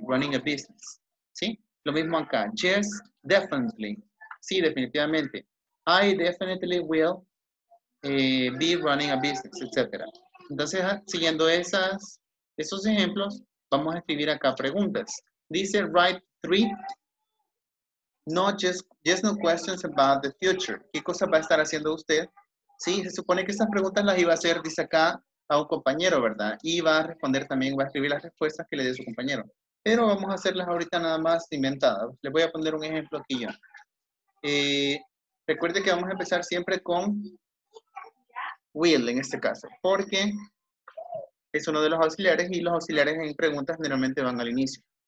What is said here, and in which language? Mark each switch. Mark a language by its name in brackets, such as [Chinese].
[English] Running a business, [Spanish] ¿sí? Lo mismo acá. [English] Yes, definitely. [Spanish] Sí, definitivamente. [English] I definitely will be running a business, etc. [Spanish] Entonces, siguiendo esos ejemplos, vamos a escribir acá preguntas. Dice, [English] write three, no, just no questions about the future. [Spanish] ¿Qué cosa va a estar haciendo usted? Sí, se supone que esas preguntas las iba a hacer, dice acá, a un compañero, ¿verdad? Y va a responder también, va a escribir las respuestas que le dé su compañero. Pero vamos a hacerlas ahorita nada más inventadas. Les voy a poner un ejemplo aquí yo. Recuerde que vamos a empezar siempre con will en este caso, porque es uno de los auxiliares y los auxiliares en preguntas generalmente van al inicio.